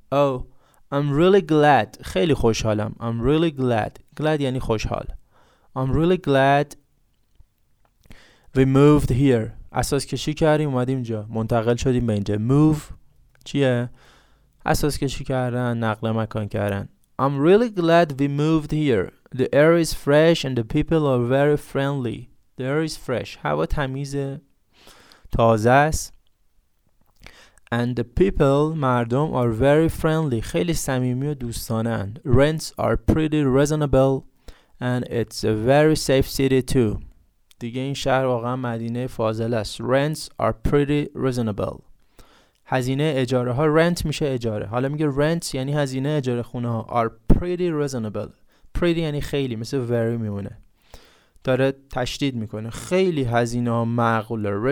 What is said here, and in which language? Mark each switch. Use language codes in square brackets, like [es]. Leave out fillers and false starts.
[en] Oh, I'm really glad. [fa] خیلی خوشحالم. [en] I'm really glad. Glad [fa] یعنی خوشحال. [en] I'm really glad we moved here. [fa] اساس کشی کردیم اومدیم جا. منتقل شدیم به اینجا. Move چیه؟ اساس کشی کردن، نقل مکان کردن. [en] I'm really glad we moved here. The air is fresh and the people are very friendly. The air is fresh. [fa] هوا تمیزه. تازه است. [en] And the people, [fa] مردم, [en] are very friendly. [fa] خیلی صمیمی و دوستانه اند. [en] Rents are pretty reasonable and it's a very safe city too. [fa] دیگه این شهر واقعا مدینه فاضل است. [en] Rents are pretty reasonable. [fa] هزینه اجاره ها rent میشه اجاره. حالا میگه rent یعنی هزینه اجاره خونه ها. [en] Are pretty reasonable. [fa] Pretty یعنی خیلی، مثل very میمونه. داره تشدید میکنه. خیلی هزینه ها معقوله.